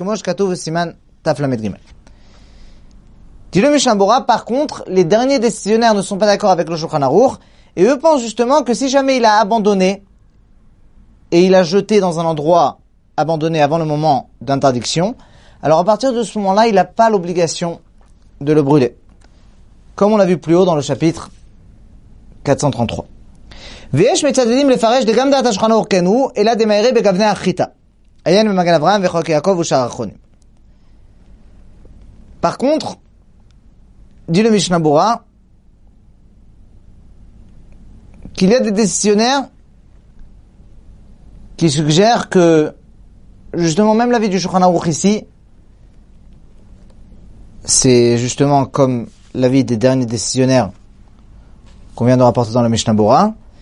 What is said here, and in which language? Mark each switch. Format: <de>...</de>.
<he>Kemo shekatuv siman taf lamed gimel.</he> <fr>Dit le Mishnah Berurah, par contre, les derniers décisionnaires ne sont pas d'accord avec le Shulchan Aruch et eux pensent justement que si jamais il a abandonné et il a jeté dans un endroit abandonné avant le moment d'interdiction, alors à partir de ce moment-là, il n'a pas l'obligation de le brûler. Comme on l'a vu plus haut dans le chapitre 433.</fr> <he>ויש מצדדים לפרש דגם דעת השולחן ערוך כן הוא, אלא דמאירי בגווני החיטה. עיין במגן אברהם וחוק יעקב ושאר האחרונים.</he> <fr>Par contre, dit le Mishnah Berurah, qu'il y a des décisionnaires qui suggèrent que, justement, même l'avis du Shulchan Aruch ici, c'est justement comme l'avis des derniers décisionnaires qu'on vient de rapporter dans le Mishnah Berurah.</fr>